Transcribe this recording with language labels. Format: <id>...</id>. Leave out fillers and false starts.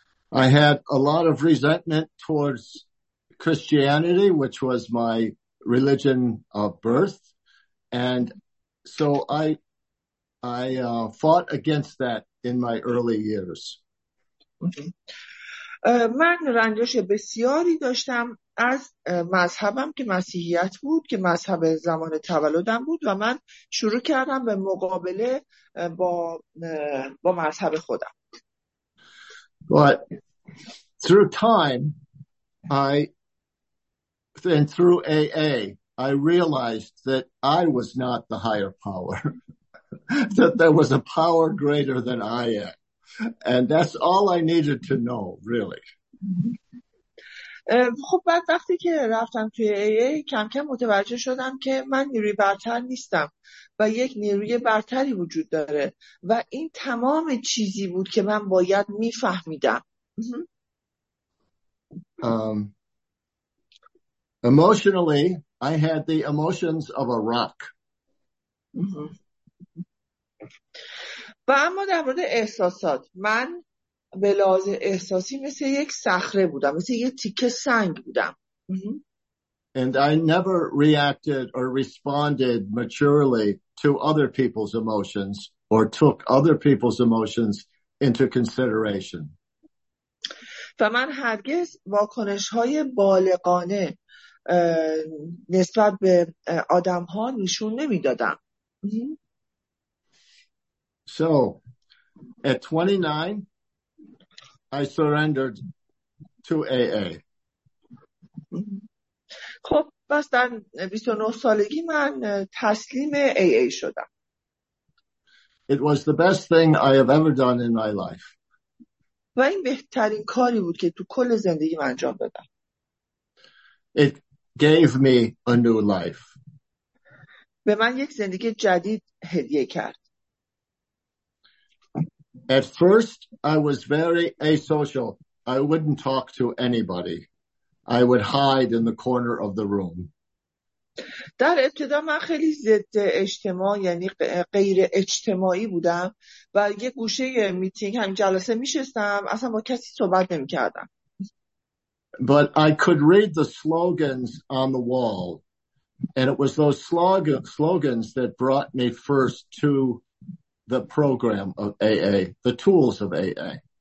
<en>I had a lot of resentment towards Christianity, which was my religion of birth, and so I fought against that in my early years.</en> <fa>من رنجش بسیاری داشتم از مذهبم که مسیحیت بود، که مذهب زمان تولدم بود، و من شروع کردم به مقابله با مذهب خودم.</fa> <en>But through time, through AA, I realized that I was not the higher power, that there was a power greater than I am. And that's all I needed to know, really.</en> <fa>خب بعد وقتی که رفتم توی AA کم کم متوجه شدم که من نیروی برتر نیستم و یک نیروی برتری وجود داره و این تمام چیزی بود که من باید میفهمیدم.</fa> <en>Emotionally, I had the emotions of a rock.</en> <fa>و اما در مورد احساسات، من به لحاظ احساسی مثل یک صخره بودم، مثل یک تیکه سنگ بودم.</fa> <en>And I never reacted or responded maturely to other people's emotions or took other people's emotions into consideration.</en> <fa>و من هرگز واکنش‌های بالغانه نسبت به آدم‌ها نشون نمی‌دادم.</fa> <en>So at 29 I surrendered to AA.</en> <fa>خب بس در 29 سالگی من تسلیم AA شدم.</fa> <en>It was the best thing I have ever done in my life.</en> <fa>و این بهترین کاری بود که تو کل زندگیم انجام دادم.</fa> <en>It gave me a new life.</en> <fa>به من یک زندگی جدید هدیه کرد.</fa> <en>At first I was very asocial. I wouldn't talk to anybody. I would hide in the corner of the room.</en> <fa>در ابتدا من خیلی ضد اجتماع، یعنی غیر اجتماعی بودم و یه گوشه میتینگ هم جلسه میشستم، اصلا با کسی صحبت نمیکردم.</fa> <en>But I could read the slogans on the wall, and it was those slogans that brought me first to the program of AA, the tools of AA.</en>